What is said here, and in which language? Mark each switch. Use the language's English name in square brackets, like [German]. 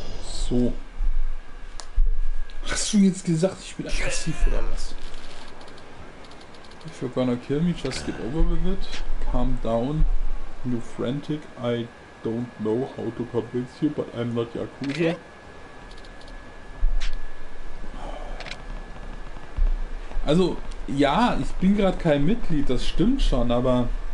[German] So. Hast du jetzt gesagt, ich bin aggressiv oder was? [English] If you're gonna kill me, just get over with it. Calm down. You're frantic. I don't know how to convince you, but I'm not Yakuza. [German] Also, ja, ich bin gerade kein Mitglied, das stimmt schon, aber.